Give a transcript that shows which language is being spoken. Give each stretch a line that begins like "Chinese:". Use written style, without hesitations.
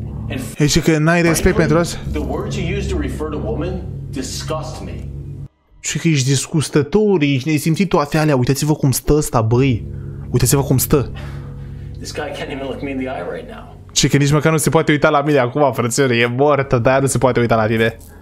Romanian: And zice că n-ai respect pentru asta?
English: The words you used to refer to woman disgust me.
Romanian: Și că ești disgustător, ești nesimțit toate alea. Uitați-vă cum stă ăsta, băi. Uitați-vă cum stă.
English: This guy can't even look me in the eye right now.
Romanian: Și că nici măcar nu se poate uita la mine acum, frățiori, e mortă, de-aia nu se poate uita la tine.